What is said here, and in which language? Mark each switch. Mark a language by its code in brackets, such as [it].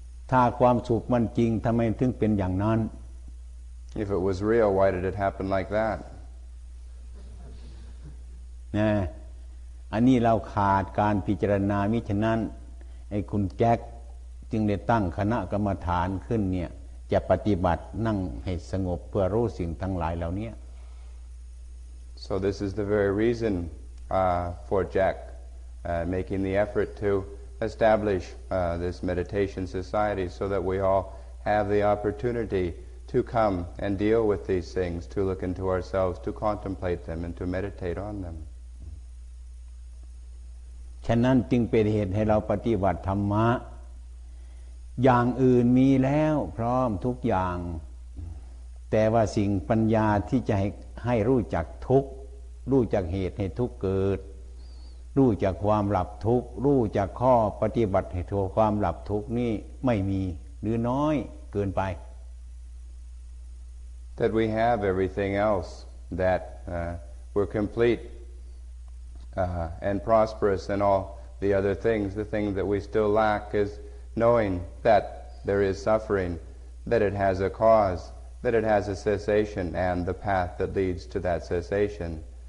[th] ถ้าความสุขมันจริงทำไมถึงเป็นอย่างนั้น [en] If it was real, why did it happen like that? [th] นะอันนี้เราขาดการพิจารณามิฉะนั้นไอ้คุณแจ็คจึงได้ตั้งคณะกรรมฐานขึ้นเนี่ยจะปฏิบัตินั่งให้สงบเพื่อรู้สิ่งทั้งหลายเหล่านี้ [en] So this is the very reason for Jack making the effort to establish this meditation society so that we all have the opportunity to come and deal with these things to look into ourselves to contemplate them and to meditate on them [th] ฉะนั้นจึงเป็นเหตุให้เราปฏิบัติธรรมะอย่างอื่นมีแล้วพร้อมทุกอย่างแต่ว่าสิ่งปัญญาที่จะให้รู้จักทุกข์รู้จักเหตุให้ทุกข์เกิดรู้จักความหลับทุกข์รู้จักข้อปฏิบัติให้ถึงความหลับทุกข์นี่ไม่มีหรือน้อยเกินไป [en] That we have everything else that we're completeand prosperous and all the other things. The thing that we still lack is knowing that there is suffering, that it has a cause, that it has a cessation, and the path that leads to that cessation.